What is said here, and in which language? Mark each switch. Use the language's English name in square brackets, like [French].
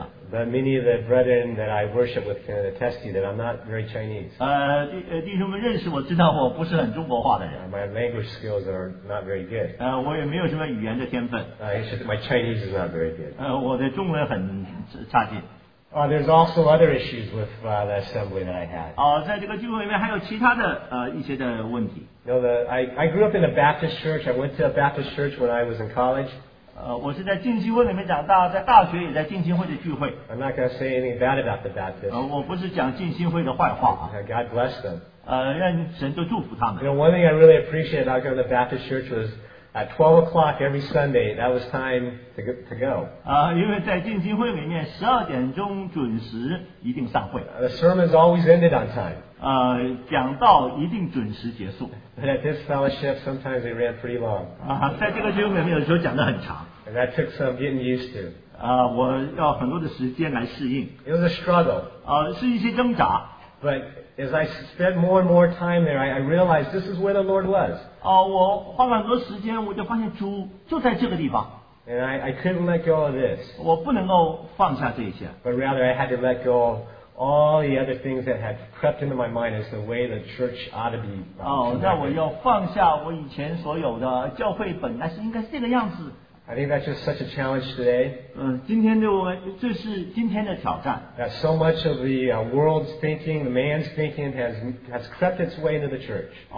[English] But many of the brethren that I worship with can attest to you that I'm not very Chinese. [Chinese] 弟兄们认识我知道我不是很中国化的人。 [English] My language skills are not very good. [Chinese] 我也没有什么语言的天分。 [English] It's just my Chinese is not very good. [Chinese] 我的中文很差劲。 [English] There's also other issues with the assembly that I had. [Chinese] 在这个聚会里面还有其他的一些的问题。 [English] I grew up in a Baptist church. I went to a Baptist church when I was in college. [Chinese] 我是在浸信会里面长大，在大学也在浸信会的聚会。 [English] I'm not going to say anything bad about the Baptist. [Chinese] 我不是讲浸信会的坏话。 [English] God bless them. [Chinese] 让神都祝福他们。 [English] You know, one thing I really appreciate about going to the Baptist church was at 12 o'clock every Sunday, that was time to go. [Chinese] 因为在浸信会里面，12点钟准时一定散会。 [English] The sermons always ended on time. [Chinese] 讲道一定准时结束。 [English] But at this fellowship, sometimes they ran pretty long. [Chinese] 在这个聚会里面有时候讲得很长。 [English] And that took some getting used to. [Chinese] 我要很多的时间来适应。 [English] It was a struggle. [Chinese] 是一些挣扎。 [English] But as I spent more and more time there, I realized this is where the Lord was. [Chinese] 我花了很多时间，我就发现主就在这个地方。 [English] And I couldn't let go of this. [Chinese] 我不能够放下这些。 [English] But rather, I had to let go of all the other things that had crept into my mind as the way the church ought to be. [Chinese] 那我要放下我以前所有的教会本来是应该是这个样子。 [English] I think that's just such a challenge today. [Chinese] 今天对我们这是今天的挑战。 [English] That so much of the world's thinking, the man's thinking has crept its way into the church.